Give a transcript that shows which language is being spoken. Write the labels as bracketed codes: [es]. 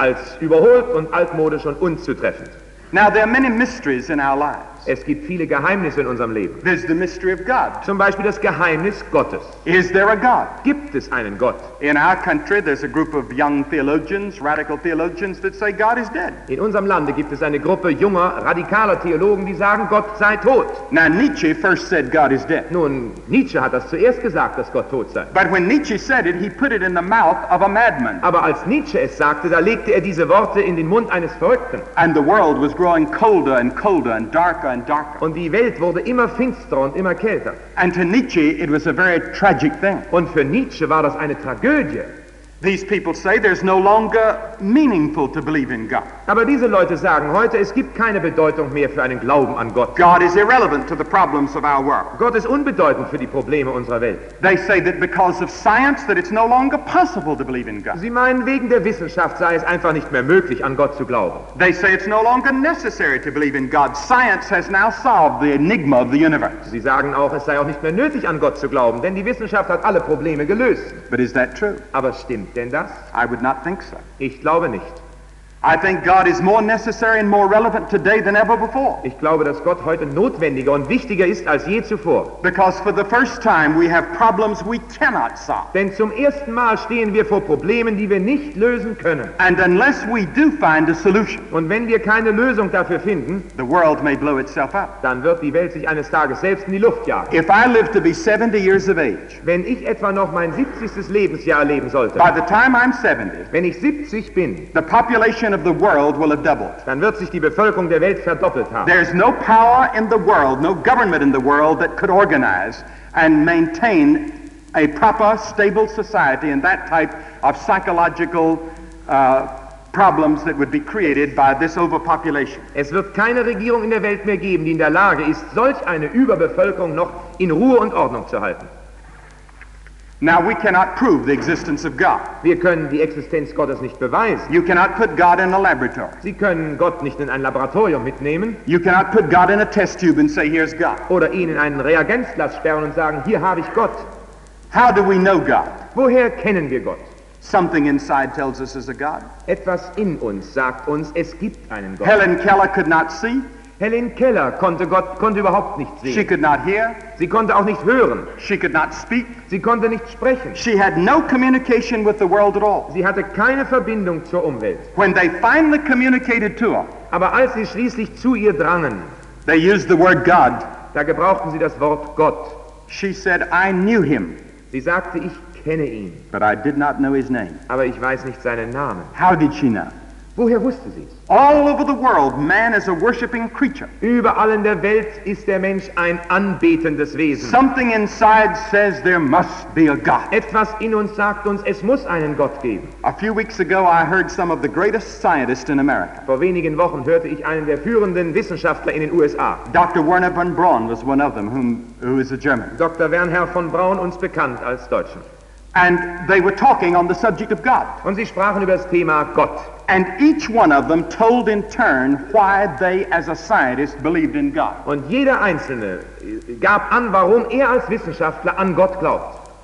[de] Als überholt und altmodisch und unzutreffend. [en] Now there are many mysteries in our lives. [de] Es gibt viele Geheimnisse in unserem Leben. [en] There's the mystery of God. [de] Zum Beispiel das Geheimnis Gottes. [en] Is there a God? [de] Gibt es einen Gott? [en] In our country, there's a group of young theologians, radical theologians, that say God is dead. [de] In unserem Lande gibt es eine Gruppe junger, radikaler Theologen, die sagen, Gott sei tot. [en] Now Nietzsche first said God is dead. [de] Nun, Nietzsche hat das zuerst gesagt, dass Gott tot sei. [en] But when Nietzsche said it, he put it in the mouth of a madman. [de] Aber als Nietzsche es sagte, da legte diese Worte in den Mund eines Verrückten. [en] And the world was growing colder and colder and darker. [de] Und die Welt wurde immer finsterer und immer kälter. [en] And to Nietzsche, it was a very tragic thing. [de] Und für Nietzsche war das eine Tragödie. [en] These people say there's no longer meaningful to believe in God. [de] Aber diese Leute sagen heute, es gibt keine Bedeutung mehr für einen Glauben an Gott. [en] God is irrelevant to the problems of our world. [de] Gott ist unbedeutend für die Probleme unserer Welt. [en] They say that because of science that it's no longer possible to believe in God. [de] Sie meinen, wegen der Wissenschaft sei es einfach nicht mehr möglich, an Gott zu glauben. [en] They say it's no longer necessary to believe in God. Science has now solved the enigma of the universe. [de] Sie sagen auch, es sei auch nicht mehr nötig, an Gott zu glauben, denn die Wissenschaft hat alle Probleme gelöst. [en] But is that true? [de] Aber stimmt denn das? [en] I would not think so. [de] Ich glaube nicht. [en] I think God is more necessary and more relevant today than ever before. [de] Ich glaube, dass Gott heute notwendiger und wichtiger ist als je zuvor. [en] Because for the first time we have problems we cannot solve. [de] Denn zum ersten Mal stehen wir vor Problemen, die wir nicht lösen können. [en] And unless we do find a solution, [de] und wenn wir keine Lösung dafür finden, [en] the world may blow itself up. [de] Dann wird die Welt sich eines Tages selbst in die Luft jagen. [en] If I live to be 70 years of age, [de] wenn ich etwa noch mein 70. Lebensjahr erleben sollte, [en] by the time I'm 70, [de] wenn ich 70 bin, [en] the population of the world will have doubled. [de] Dann wird sich die Bevölkerung der Welt verdoppelt haben. [en] There's no power in the world, no government in the world that could organize and maintain a proper, stable society in that type of psychological problems that would be created by this overpopulation. [de] Es wird keine Regierung in der Welt mehr geben, die in der Lage ist, solch eine Überbevölkerung noch in Ruhe und Ordnung zu halten. [en] Now we cannot prove the existence of God. [de] Wir können die Existenz Gottes nicht beweisen. [en] You cannot put God in a laboratory. [de] Sie können Gott nicht in ein Laboratorium mitnehmen. [en] You cannot put God in a test tube and say, here's God. [de] Oder ihn in einen Reagenzglas sperren und sagen, hier habe ich Gott. [en] How do we know God? [de] Woher kennen wir Gott? [en] Something inside tells us there's a God. [de] Etwas in uns sagt uns, es gibt einen Gott. [en] Helen Keller could not see. [de] Helen Keller konnte überhaupt nicht sehen. [en] She could not hear. [de] Sie konnte auch nicht hören. [en] She could not speak. [de] Sie konnte nicht sprechen. [en] She had no communication with the world at all. [de] Sie hatte keine Verbindung zur Umwelt. [en] When they finally communicated to her, [de] aber als sie schließlich zu ihr drangen, [en] they used the word God. [de] Da gebrauchten sie das Wort Gott. [en] She said, I knew him. [de] Sie sagte, ich kenne ihn. [en] But I did not know his name. [de] Aber ich weiß nicht seinen Namen. [en] How did she know? [de] Woher wusste sie es? [en] All over the world, man is a worshiping creature. [de] Überall in der Welt ist der Mensch ein anbetendes Wesen. [en] Something inside says there must be a God. [de] Etwas in uns sagt uns, es muss einen Gott geben. [en] A few weeks ago, I heard some of the greatest scientists in America. [de] Vor wenigen Wochen hörte ich einen der führenden Wissenschaftler in den USA. [en] Dr. Werner von Braun was one of them, who is a German. [de] Dr. Werner von Braun, uns bekannt als Deutscher. [en] And they were talking on the subject of God. [de] Und sie sprachen über das Thema Gott. [en] And each one of them told in turn why they as a scientist believed in God. [de] Und jeder einzelne gab an, warum er als Wissenschaftler an Gott glaubt.